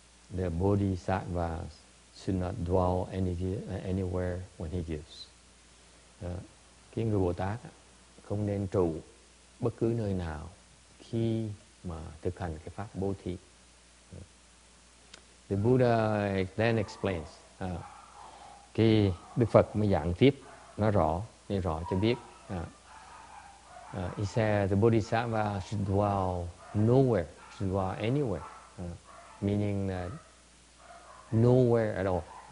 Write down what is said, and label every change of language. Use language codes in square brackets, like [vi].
[en] The bodhisattva should not dwell anywhere when he gives. [vi] cái người Bồ Tát không nên trụ bất cứ nơi nào khi mà thực hành cái pháp bố thí. [en] The Buddha then explains. [vi] Khi Đức Phật mới giảng tiếp, nói rõ, nói rõ cho biết. [en] He said the Bodhisattva should dwell nowhere, should dwell anywhere, meaning that nowhere at all.